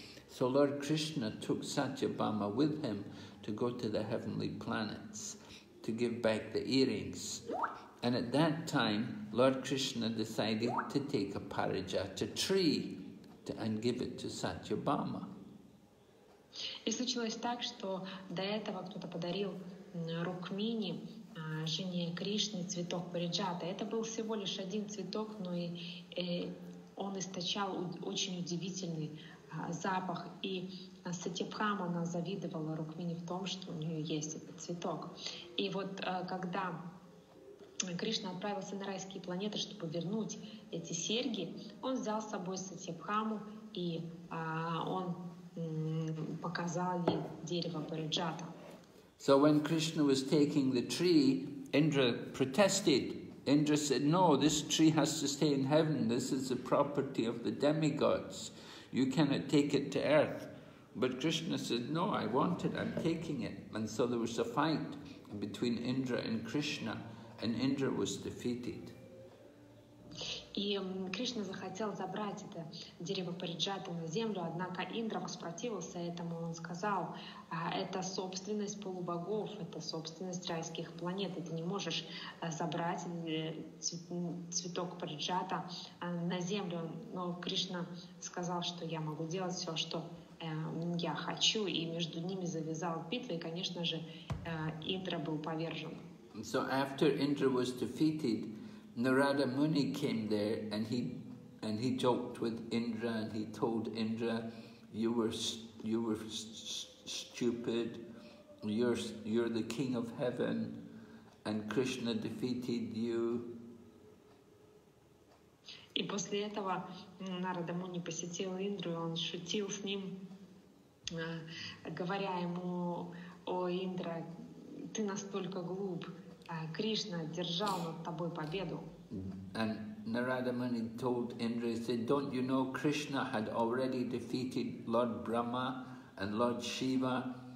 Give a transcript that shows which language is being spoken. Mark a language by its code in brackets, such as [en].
[en] So Lord Krishna took Satyabhama with him to go to the heavenly planets to give back the earrings. And at that time, Lord Krishna decided to take a Parijata tree and give it to Satyabhama. [ru] И случилось так, что до этого кто-то подарил Рукмини, жене Кришны, цветок Париджата. Это был всего лишь один цветок, но и он источал очень удивительный запах. И Сатьябхама, она завидовала Рукмини в том, что у нее есть этот цветок. И вот когда Кришна отправился на райские планеты, чтобы вернуть эти серьги, он взял с собой Сатьябхаму, и он показал ей дерево Париджата. [en] So when Krishna was taking the tree, Indra protested. Indra said, no, this tree has to stay in heaven. This is the property of the demigods. You cannot take it to earth. But Krishna said, no, I want it, I'm taking it. And so there was a fight between Indra and Krishna. And Indra was defeated. [ru] И Кришна захотел забрать это дерево Париджата на землю, однако Индра воспротивился этому, он сказал, это собственность полубогов, это собственность райских планет, и ты не можешь забрать цветок Париджата на землю. Но Кришна сказал, что я могу делать все, что я хочу, и между ними завязал битву, и, конечно же, Индра был повержен. [en] So after Indra was defeated, Narada Muni came there and he joked with Indra and he told Indra, you were stupid, you're the king of heaven, and Krishna defeated you. [ru] И после этого Нарада Муни посетил Индру, он шутил с ним, говоря ему: о, Индра, ты настолько глуп, Кришна одержал над тобой победу. [en] And Narada Muni told Indra, he said, don't you know Krishna had already defeated Lord Brahma and Lord Shiva?